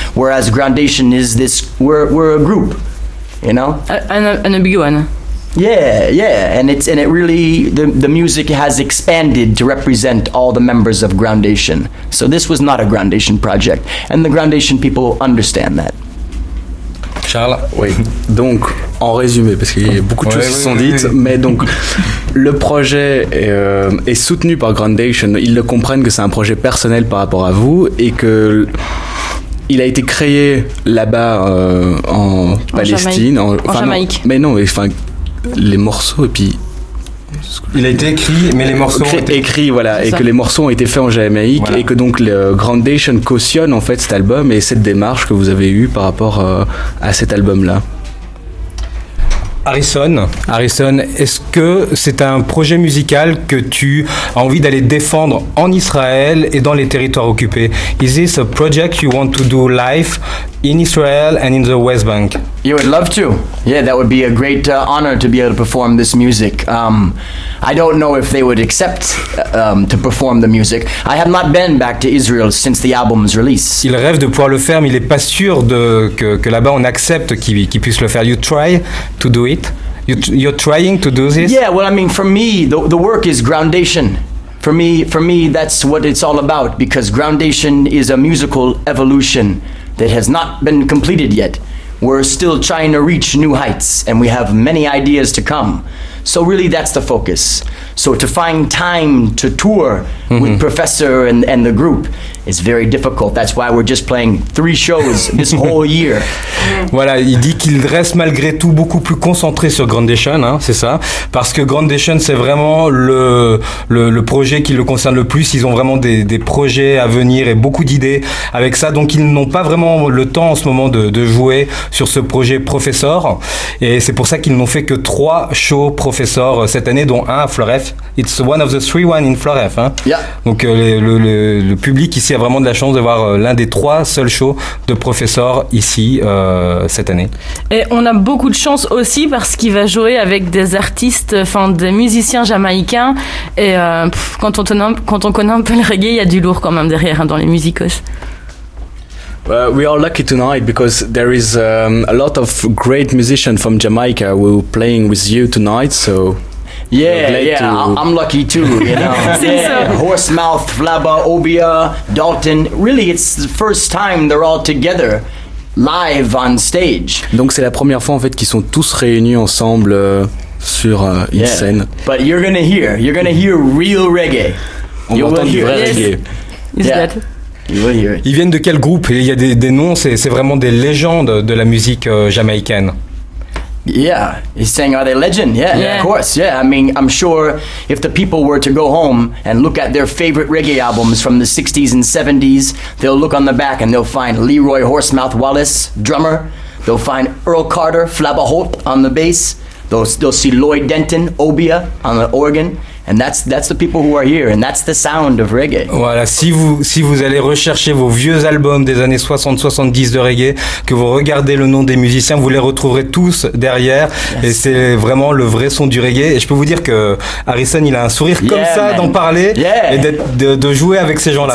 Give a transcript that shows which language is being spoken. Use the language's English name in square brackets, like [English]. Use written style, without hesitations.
[English] Whereas Grandation is this, we're a group. You know, and a big one. Yeah, and it really the music has expanded to represent all the members of Grandation. So this was not a Grandation project, and the Grandation people understand that. Charles, [French] oui. Donc, en résumé, parce qu'il y a beaucoup de choses qui sont dites, mais donc le projet est soutenu par Grandation. Ils le comprennent que c'est un projet personnel par rapport à vous et que. Il a été créé là-bas en Palestine, Jamaïque. Les morceaux et puis. Il a été écrit, mais les morceaux ont été écrits, voilà, c'est et ça. Que les morceaux ont été faits en Jamaïque, voilà. Et que donc le Grandation cautionne en fait cet album et cette démarche que vous avez eue par rapport à cet album-là. Harrison, est-ce que c'est un projet musical que tu as envie d'aller défendre en Israël et dans les territoires occupés? [English] Is this a project you want to do live in Israel and in the West Bank? You would love to. Yeah, that would be a great honor to be able to perform this music. I don't know if they would accept to perform the music. I have not been back to Israel since the album's release. [French] Il rêve de pouvoir le faire, mais il n'est pas sûr que là-bas on accepte qu'il puisse le faire. [English] You try to do it? You're trying to do this? Yeah, well, I mean, for me, the work is Grandation. For me, that's what it's all about, because Grandation is a musical evolution that has not been completed yet. We're still trying to reach new heights, and we have many ideas to come. So really, that's the focus. So to find time to tour with Professor and the group is very difficult. That's why we're just playing 3 shows this whole year. [French] Voilà, il dit qu'il reste malgré tout beaucoup plus concentré sur Grandation, hein, c'est ça. Parce que Grandation, c'est vraiment le projet qui le concerne le plus. Ils ont vraiment des projets à venir et beaucoup d'idées avec ça. Donc ils n'ont pas vraiment le temps en ce moment de jouer sur ce projet Professor. Et c'est pour ça qu'ils n'ont fait que 3 shows Professor cette année, dont un à Floref. [English] It's one of the 3 ones in Floref. [French] Hein. [English] Yeah. [French] Donc le public ici a vraiment de la chance de voir l'un des trois seuls shows de Professeur ici cette année. Et on a beaucoup de chance aussi parce qu'il va jouer avec des artistes, enfin des musiciens jamaïcains. Et quand on connaît un peu le reggae, il y a du lourd quand même derrière hein, dans les musicos. [English] We are lucky tonight because there is a lot of great musicians from Jamaica who are playing with you tonight. So I'm lucky too. You know, Horsemouth, Flabba, Obia, Dalton. Really, it's the first time they're all together live on stage. [French] Donc c'est la première fois en fait qu'ils sont tous réunis ensemble sur une scène. [English] But you're gonna hear real reggae. [French] On va entendre du vrai reggae. Ils viennent de quel groupe? Il y a des noms, c'est vraiment des légendes de la musique jamaïcaine. [English] Yeah, he's saying are they legend? Yeah, of course. Yeah, I mean, I'm sure if the people were to go home and look at their favorite reggae albums from the 60s and 70s, they'll look on the back and they'll find Leroy Horsemouth Wallace, drummer. They'll find Earl Carter, Flabba Holt on the bass. They'll see Lloyd Denton, Obia on the organ. And that's the people who are here, and that's the sound of reggae. [French] Voilà, si vous allez rechercher vos vieux albums des années 60-70 de reggae, que vous regardez le nom des musiciens, vous les retrouverez tous derrière. Yes. Et c'est vraiment le vrai son du reggae. Et je peux vous dire que Harrison, il a un sourire comme ça, [English] man, [French] d'en parler et de jouer avec ces gens-là.